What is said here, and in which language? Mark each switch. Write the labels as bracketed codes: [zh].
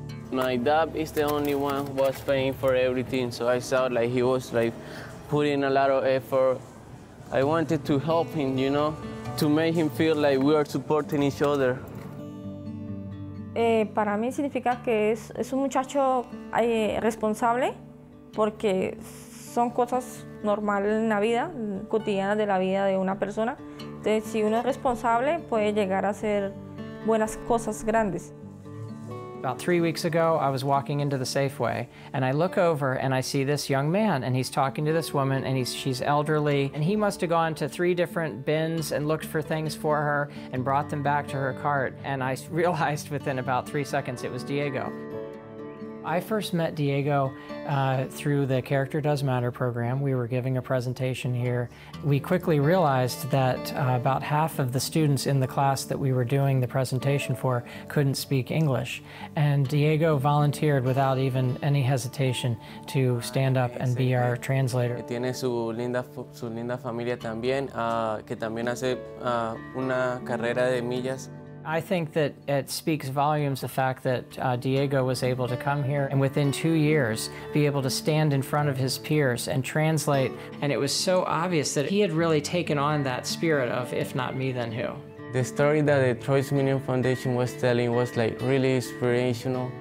[en] My dad is the only one who was paying for everything, so I saw like he was like putting a lot of effort. I wanted to help him, you know? to make him feel like we are supporting each other. [es] Para mí significa que es un muchacho responsable porque son cosas normales en la vida, cotidianas de la vida de una persona. Entonces, si uno es responsable, puede llegar a hacer buenas cosas grandes. [en] About 3 weeks ago, I was walking into the Safeway, and I look over and I see this young man, and he's talking to this woman, and she's elderly, and he must have gone to 3 different bins and looked for things for her and brought them back to her cart, and I realized within about 3 seconds it was Diego. I first met Diego through the Character Does Matter program. We were giving a presentation here. We quickly realized that about half of the students in the class that we were doing the presentation for couldn't speak English. And Diego volunteered without even any hesitation to stand up and be our translator. [es] Tiene su linda familia también, que también hace una carrera de millas. [en] I think that it speaks volumes, the fact that Diego was able to come here and within 2 years be able to stand in front of his peers and translate. And it was so obvious that he had really taken on that spirit of, if not me, then who? The story that the Travis Manion Foundation was telling was like really inspirational.